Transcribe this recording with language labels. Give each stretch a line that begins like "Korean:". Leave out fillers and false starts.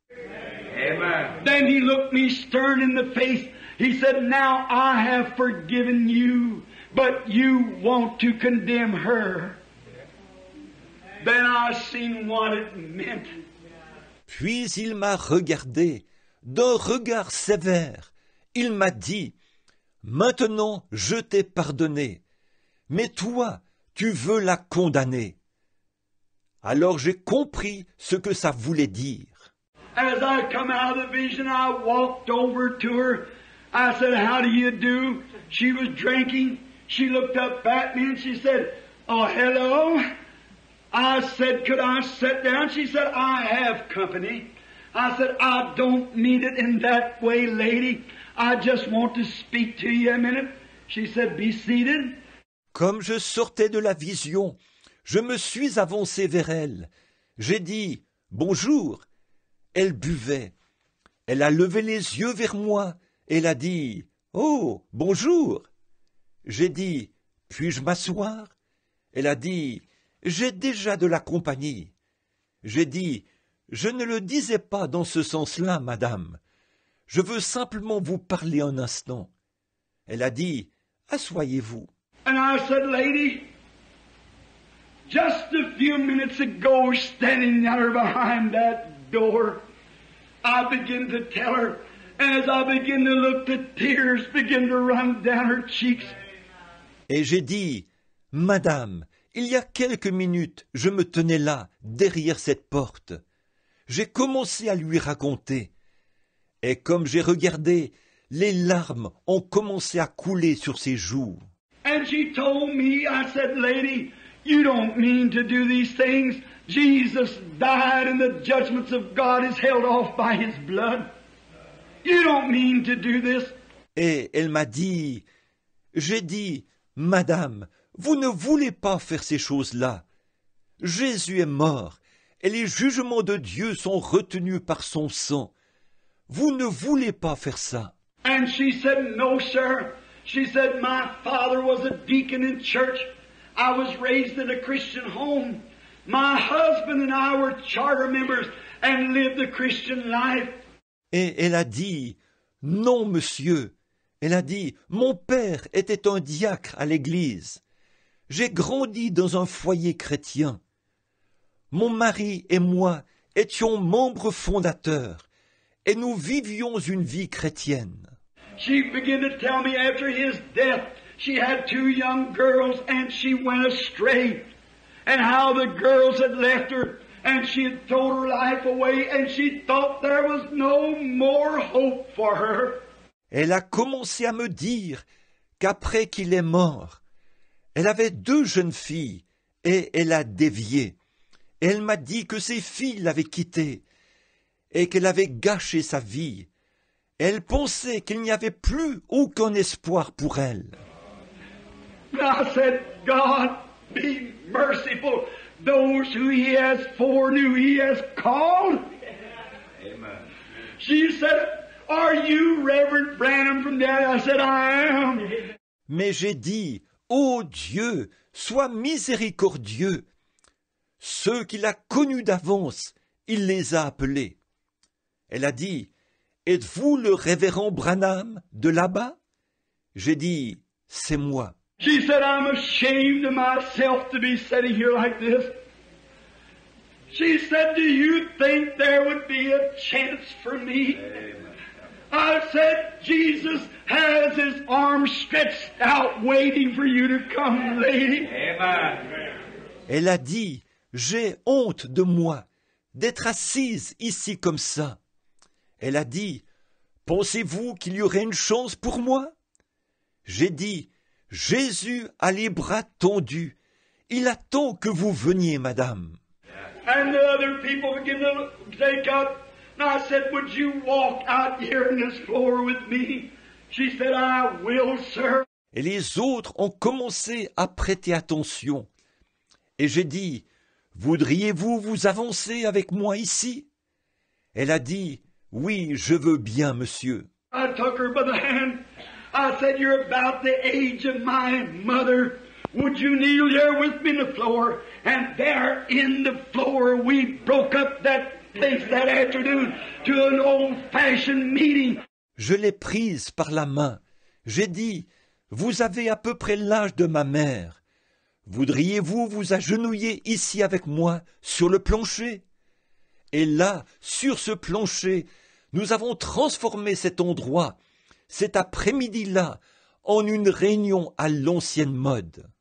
English: Amen. Then he looked me stern in the face. He said, now I have forgiven you, but you want to condemn her. Then I seen what it meant.
French: Puis il m'a regardé d'un regard sévère. Il m'a dit, maintenant je t'ai pardonné, mais toi, tu veux la condamner. Alors j'ai compris ce que ça voulait dire.
English: As I come out of the vision, I walked over to her. I said, how do you do? She was drinking. She looked up at me and she said, oh, hello. I said, could I sit down? She said, I have company. I said, I don't mean it in that way, lady. I just want to speak to you a minute. She said, be seated.
French: Comme je sortais de la vision, je me suis avancé vers elle. J'ai dit, bonjour. Elle buvait. Elle a levé les yeux vers moi. Elle a dit, oh, bonjour. J'ai dit, puis-je m'asseoir? Elle a dit, j'ai déjà de la compagnie. J'ai dit, je ne le disais pas dans ce sens-là, madame. Je veux simplement vous parler un instant. Elle a dit, asseyez-vous.
English: And I said, lady, just a few minutes ago, standing there behind that door, I began to tell her, as I began to look, the tears began to run down her cheeks.
French: Et j'ai dit, madame, il y a quelques minutes, je me tenais là, derrière cette porte. J'ai commencé à lui raconter. Et comme j'ai regardé, les larmes ont commencé à couler sur ses joues.
English: And she told me, I said, lady, you don't mean to do these things. Jesus died and the judgments of God is held off by his blood. You don't mean to do this.
French: Et elle m'a dit, j'ai dit, madame, vous ne voulez pas faire ces choses-là. Jésus est mort et les jugements de Dieu sont retenus par son sang. Vous ne voulez pas faire ça.
English: And she said, no, sir. She said, my father was a deacon in church. I was raised in a Christian home. My husband and I were charter members and lived a Christian life.
French: Et elle a dit, non, monsieur. Elle a dit, mon père était un diacre à l'église. J'ai grandi dans un foyer chrétien. Mon mari et moi étions membres fondateurs et nous vivions une vie chrétienne. She began to tell me after his death, she had two young girls and she went astray. And how the girls had left her and she had thrown her life away and she thought there was no more hope for her. Elle a commencé à me dire qu'après qu'il est mort, elle avait deux jeunes filles et elle a dévié. Elle m'a dit que ses filles l'avaient quittée et qu'elle avait gâché sa vie. Elle pensait qu'il n'y avait plus aucun espoir pour elle.
English: I said, God, be merciful. Those who he has foreknew, he has called. Amen. She said, are you Reverend Branham from there? I said, I am.
French: Mais j'ai dit, ô Dieu, sois miséricordieux. Ceux qu'il a connus d'avance, il les a appelés. Elle a dit, êtes-vous le révérend Branham de là-bas? J'ai dit, c'est moi.
English: She said, I'm ashamed of myself to be sitting here like this. She said, do you think there would be a chance for me? Amen. I said, Jesus has his arms stretched out waiting for you to come, lady. Amen.
French: Elle a dit, j'ai honte de moi d'être assise ici comme ça. Elle a dit, pensez-vous qu'il y aurait une chance pour moi? J'ai dit, Jésus a les bras tendus. Il attend que vous veniez, madame.
English: And the other people begin to take up. And I said, would you walk out here on this floor with me? She said, I will, sir.
French: Et les autres ont commencé à prêter attention. Et j'ai dit, voudriez-vous vous avancer avec moi ici? Elle a dit, oui, je veux bien, monsieur.
English: I took her by the hand. I said, you're about the age of my mother. Would you kneel there with me in the floor? And there in the floor we broke up that place that afternoon to an old-fashioned meeting.
French: Je l'ai prise par la main. J'ai dit, vous avez à peu près l'âge de ma mère. Voudriez-vous vous agenouiller ici avec moi, sur le plancher? Et là, sur ce plancher, nous avons transformé cet endroit, cet après-midi-là, en une réunion à l'ancienne mode.